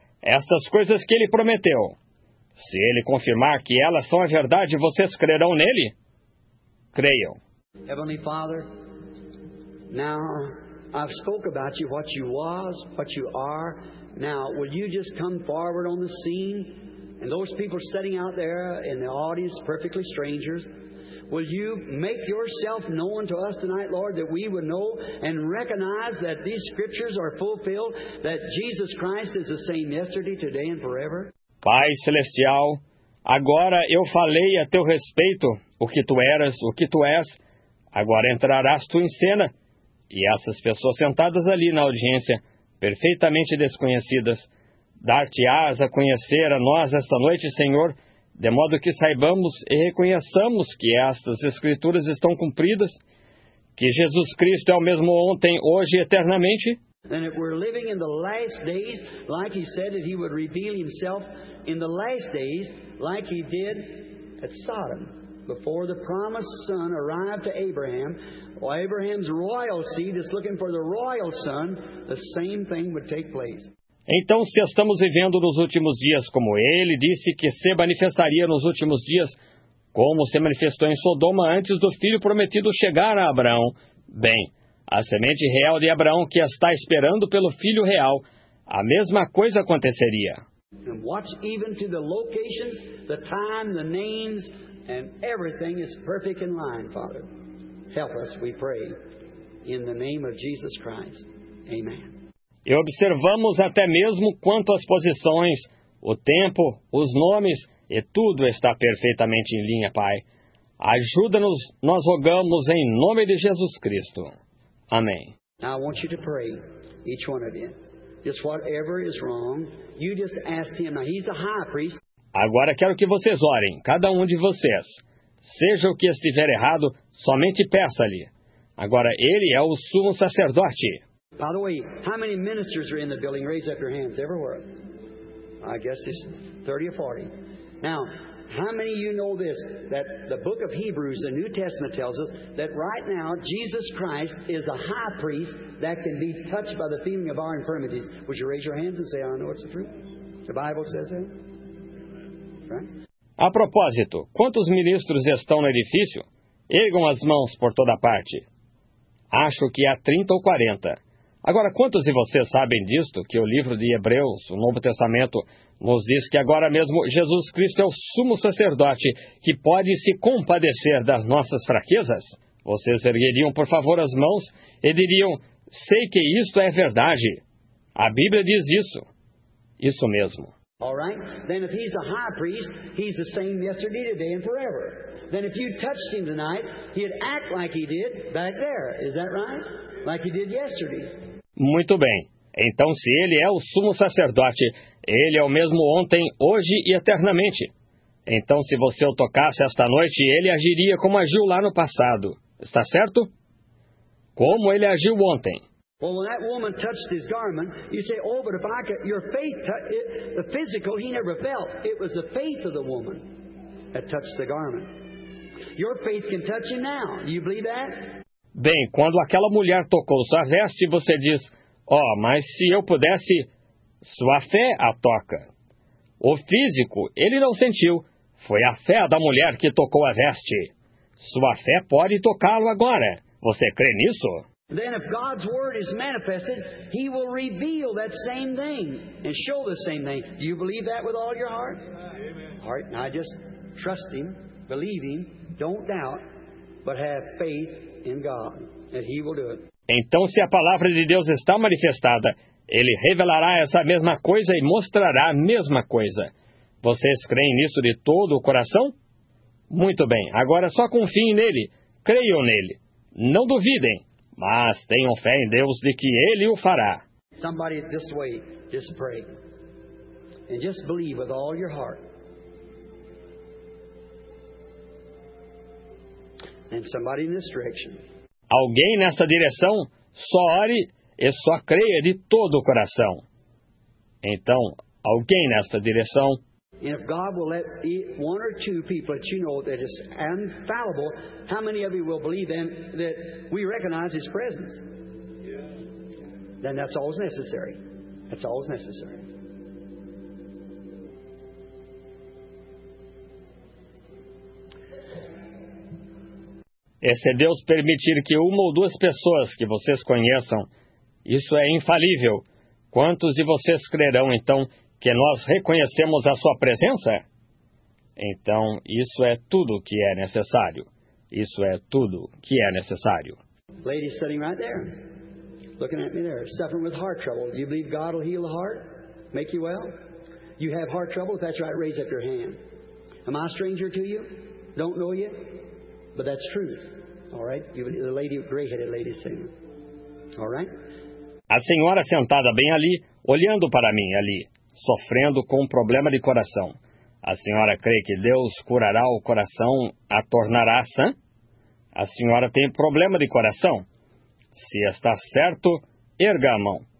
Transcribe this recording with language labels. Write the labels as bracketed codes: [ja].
[pt] Estas coisas que ele prometeu. Se ele confirmar que elas são a verdade, vocês crerão nele? Creiam. [en] Heavenly Father, now I've spoken about you, what you was, what you are. Now, will you just come forward on the scene? And those people sitting out there in the audience, perfectly strangers, Will you make yourself known to us tonight, Lord, that we would know and recognize that these scriptures are fulfilled, that Jesus Christ is the same yesterday, today, and forever? [pt] Pai Celestial, agora eu falei a teu respeito o que tu eras, o que tu és. Agora entrarás tu em cena. E essas pessoas sentadas ali na audiência, perfeitamente desconhecidas, dar-te-ás a conhecer a nós esta noite, Senhor, de modo que saibamos e reconheçamos que estas Escrituras estão cumpridas, que Jesus Cristo é o mesmo ontem, hoje e eternamente. [en] And if we're living in the last days, like he said that he would reveal himself in the last days, like he did at Sodom, before the promised son arrived to Abraham, or Abraham's royal seed is looking for the royal son, the same thing would take place. [pt] Então, se estamos vivendo nos últimos dias, como ele disse que se manifestaria nos últimos dias, como se manifestou em Sodoma antes do filho prometido chegar a Abraão, bem, a semente real de Abraão que está esperando pelo filho real, a mesma coisa aconteceria. [en] And watch even to the locations, the time, the names, and everything is perfect in line, Father. Help us, we pray, in the name of Jesus Christ. Amen. [pt] E observamos até mesmo quanto às posições, o tempo, os nomes, e tudo está perfeitamente em linha, Pai. Ajuda-nos, nós rogamos em nome de Jesus Cristo. Amém. [en] Now I want you to pray, each one of you. Just whatever is wrong, you just ask him. Now he's a high priest. [pt] Agora quero que vocês orem, cada um de vocês. Seja o que estiver errado, somente peça-lhe. Agora ele é o sumo sacerdote. [en] By the way, how many ministers are in the building? Raise up your hands everywhere. I guess it's 30 or 40. Now, how many of you know this, that the book of Hebrews, the New Testament tells us that right now Jesus Christ is a high priest that can be touched by the feeling of our infirmities? Would you raise your hands and say, I know it's the truth? The Bible says that. Right? [pt] A propósito, quantos ministros estão no edifício? Ergam as mãos por toda parte. Acho que há 30 ou 40. Agora, quantos de vocês sabem disto, que o livro de Hebreus, o Novo Testamento, nos diz que agora mesmo Jesus Cristo é o sumo sacerdote que pode se compadecer das nossas fraquezas? Vocês ergueriam, por favor, as mãos e diriam, sei que isto é verdade. A Bíblia diz isso. Isso mesmo. [en] All right? Then if he's a high priest, he's the same yesterday, today, and forever. Then if you touched him tonight, he'd act like he did back there. Is that right? Like he did yesterday. [pt] Muito bem. Então, se ele é o sumo sacerdote, ele é o mesmo ontem, hoje e eternamente. Então, se você o tocasse esta noite, ele agiria como agiu lá no passado. Está certo? Como ele agiu ontem? [en] Well, when that woman touched his garment, you say, oh, but if I could, your faith, it, the physical, he never felt. It was the faith of the woman that touched the garment. Your faith can touch him now. Do you believe that? [pt] Bem, quando aquela mulher tocou sua veste, você diz, oh, mas se eu pudesse, sua fé a toca. O físico, ele não sentiu. Foi a fé da mulher que tocou a veste. Sua fé pode tocá-lo agora. Você crê nisso? [en] Then if God's word is manifested, he will reveal that same thing and show the same thing. Do you believe that with all your heart? Amen. All right, now just trust him, believe him, don't doubt, but have faith in God that he will do it. [pt] Então, se a palavra de Deus está manifestada, ele revelará essa mesma coisa e mostrará a mesma coisa. Vocês creem nisso de todo o coração? Muito bem, agora só confiem nele, creiam nele, não duvidem. Mas tenham fé em Deus de que Ele o fará. [en] Somebody this way, just pray. And just believe with all your heart. And somebody in this direction. [pt] Alguém nessa direção, só ore e só creia de todo o coração. Então, alguém nessa direção. [en] And if God will let one or two people that you know that is infallible, how many of you will believe then that we recognize his presence? Yeah. Then that's always necessary. That's always necessary. [pt] E se Deus permitir que uma ou duas pessoas que vocês conheçam, isso é infalível, quantos de vocês crerão então que nós reconhecemos a sua presença? Então, isso é tudo o que é necessário. Isso é tudo que é necessário. [en] Lady sitting right there, looking at me there, suffering with heart trouble. Do you believe God will heal the heart, make you well? You have heart trouble? If that's right, raise up your hand. Am I a stranger to you? Don't know you? But that's truth. All right? You, the lady, gray-headed lady sitting. All right? [pt] A senhora sentada bem ali, olhando para mim ali, sofrendo com um problema de coração. A senhora crê que Deus curará o coração, a tornará sã? A senhora tem problema de coração? Se está certo, erga a mão.